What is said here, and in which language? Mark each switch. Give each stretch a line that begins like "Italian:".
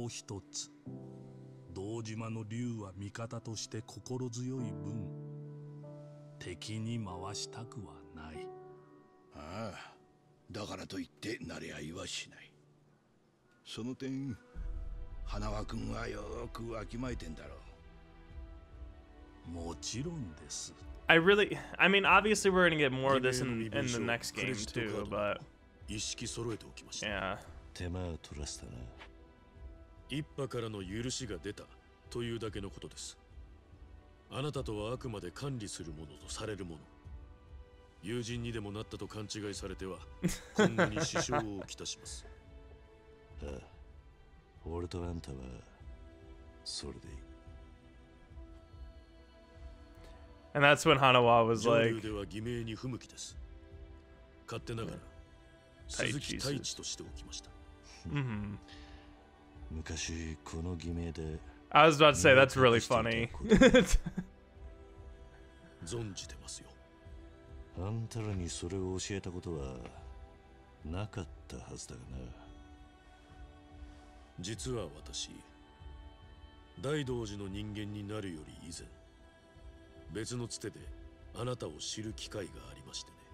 Japanese: もう一つ、道島の竜は味方として心強い分、敵に回したくはない。ああ、だからといって馴れ合いはしない。その点花輪君はよくわきまえてんだろう。もちろんです。
English: I mean, obviously we're going to get more of this in the next game too, but...
Japanese: 意識揃えておきました。
English: Yeah.
Japanese: 手間を取らせたな。一派からの許しが出たというだけのことです。あなたとはあくまで管理するものとされるもの。友人にでもなったと勘違いされては、こんなに支障をきたします。ああ、俺とあんたはそれでいい。
English: And that's when Hanawa was like,
Japanese: Joryu では偽名に不向きです。勝手ながら、鈴木太一としておきました。昔この偽名で、
English: I was about to say, that's really funny.
Japanese: 存じてますよ。あんたらにそれを教えたことはなかったはずだがな。実は私、大道寺の人間になるより以前、別のつてであなたを知る機会がありましてね。